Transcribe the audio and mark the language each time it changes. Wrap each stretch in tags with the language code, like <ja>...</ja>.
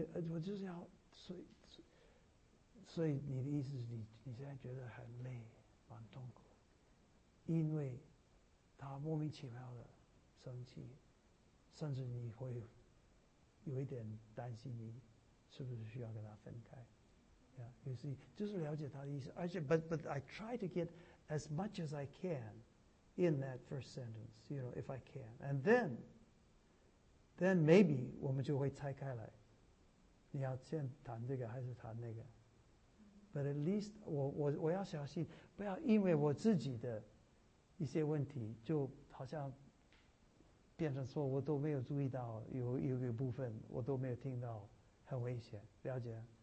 <zh>我就是要所以你的意思是你现在觉得很累，蛮痛苦，因为他莫名其妙的生气，甚至你会有一点担心你是不是需要跟他分开。</zh> <en>Yeah, you see,</en> <zh>就是了解他的意思。</zh> <en>而且 but I try to get as much as I can in that first sentence, you know, if I can. And then maybe</en> <zh>我们就会拆开来。你要先谈这个还是谈那个。</zh> <en>But at least</en> <zh>我要小心，不要因为我自己的一些问题，就好像变成说我都没有注意到有一部分我都没有听到，很危险，了解？</zh>